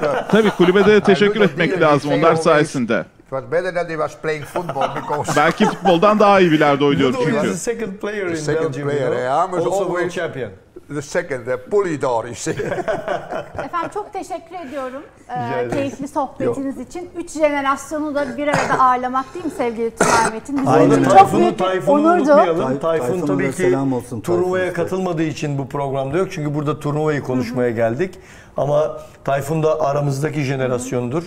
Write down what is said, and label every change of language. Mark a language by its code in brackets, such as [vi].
[tr] Tabii kulübe de teşekkür etmek lazım onlar sayesinde. [en] was better than he was playing football because [tr] belki futboldan daha iyi bilardı oynuyor çünkü. [en] He was the second player in Belgium. Also world champion. The second, the Pulidor, you see. [tr] Efendim çok teşekkür ediyorum keyifli sohbetiniz için. Üç jenerasyonu da bir arada ağırlamak değil mi sevgili Tümay Metin? Aynen. Tayfun'u unutmayalım. Tayfun tabii ki turnuvaya katılmadığı için bu programda yok. Çünkü burada turnuvayı konuşmaya geldik. Ama Tayfun da aramızdaki jenerasyondur.